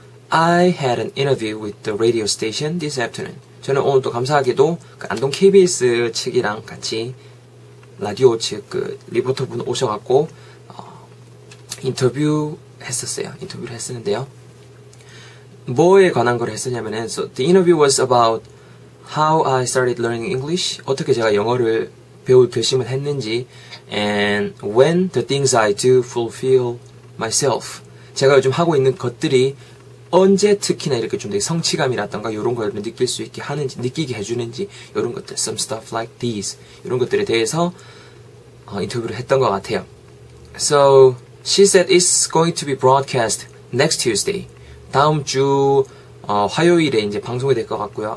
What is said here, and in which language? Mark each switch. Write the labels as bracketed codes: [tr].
[en] I had an interview with the radio station this afternoon. [ko] 저는 오늘도 감사하게도 그 안동 KBS 측이랑 같이 라디오 측 그 리포터분 오셔갖고 인터뷰를 했었는데요. 뭐에 관한 걸 했었냐면은 [en] so the interview was about how I started learning English. [ko] 어떻게 제가 영어를 배울 결심을 했는지 [en] and when the things I do fulfill myself. [ko] 제가 요즘 하고 있는 것들이 언제 특히나 이렇게 좀 되게 성취감이라던가 이런 걸 느낄 수 있게 하는지 느끼게 해주는지 이런 것들 [en] some stuff like these [ko] 이런 것들에 대해서 인터뷰를 했던 것 같아요. [en] So she said it's going to be broadcast next Tuesday. [ko] 다음 주 화요일에 이제 방송이 될 것 같고요.